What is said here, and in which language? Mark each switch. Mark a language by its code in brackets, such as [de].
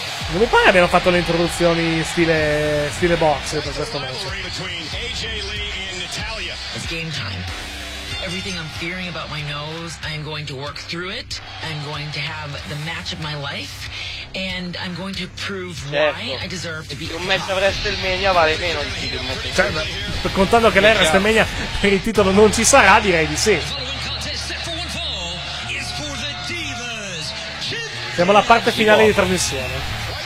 [it] Non mi pare che abbiano fatto le introduzioni stile box per questo match. [en] It's game time. Everything I'm fearing about my nose, I'm going to work through it. I'm going to have the match of my life. And I'm going to prove why I deserve to be. [it] Un match a WrestleMania vale meno di più di un match. Cioè, contando che lei a WrestleMania per il titolo non ci sarà, direi di sì. Siamo alla parte finale di trasmissione.